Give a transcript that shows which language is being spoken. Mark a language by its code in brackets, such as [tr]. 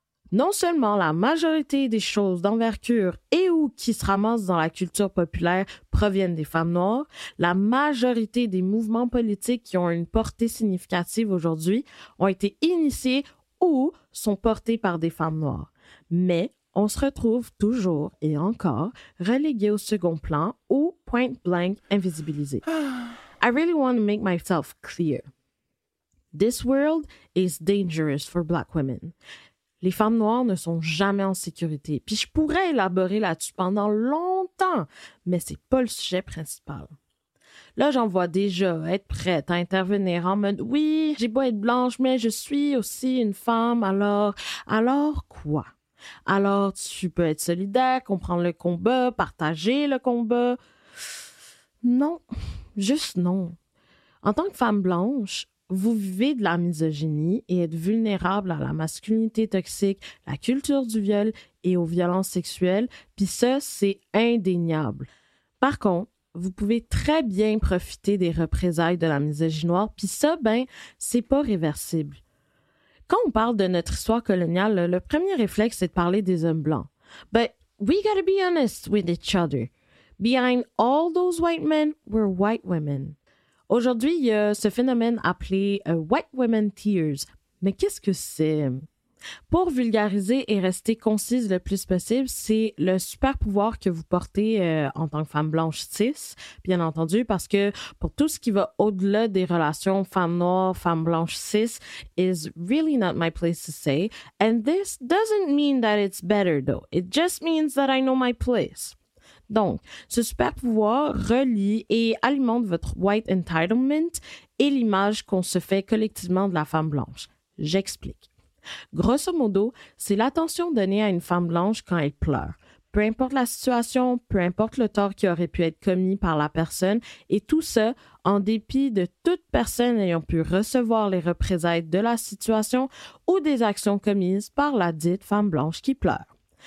[fr] Non seulement la majorité des choses d'envergure et ou qui se ramassent dans la culture populaire proviennent des femmes noires, la majorité des mouvements politiques qui ont une portée significative aujourd'hui ont été initiés ou sont portés par des femmes noires. Mais on se retrouve toujours et encore relégués au second plan ou point blank invisibilisés. [en] I really want to make myself clear. This world is dangerous for black women. [fr] Les femmes noires ne sont jamais en sécurité. Puis je pourrais élaborer là-dessus pendant longtemps, mais c'est pas le sujet principal. Là, j'en vois déjà être prête à intervenir en mode « Oui, j'ai beau être blanche, mais je suis aussi une femme, alors quoi? » Alors, tu peux être solidaire, comprendre le combat, partager le combat. Non, juste non. En tant que femme blanche, vous vivez de la misogynie et êtes vulnérable à la masculinité toxique, la culture du viol et aux violences sexuelles, puis ça, c'est indéniable. Par contre, vous pouvez très bien profiter des représailles de la misogynoire, puis ça, ben, c'est pas réversible. Quand on parle de notre histoire coloniale, le premier réflexe, c'est de parler des hommes blancs. [en] But we gotta be honest with each other. Behind all those white men were white women. [fr] Aujourd'hui, il y a ce phénomène appelé white women tears. Mais qu'est-ce que c'est? Pour vulgariser et rester concise le plus possible, c'est le super pouvoir que vous portez en tant que femme blanche cis, bien entendu, parce que pour tout ce qui va au-delà des relations femme noire, femme blanche cis, [en] is really not my place to say. And this doesn't mean that it's better though. It just means that I know my place. [fr] Donc, ce super pouvoir relie et alimente votre white entitlement et l'image qu'on se fait collectivement de la femme blanche. J'explique. Grosso modo, c'est l'attention donnée à une femme blanche quand elle pleure. Peu importe la situation, peu importe le tort qui aurait pu être commis par la personne, et tout ça, en dépit de toute personne ayant pu recevoir les représailles de la situation ou des actions commises par la dite femme blanche qui pleure.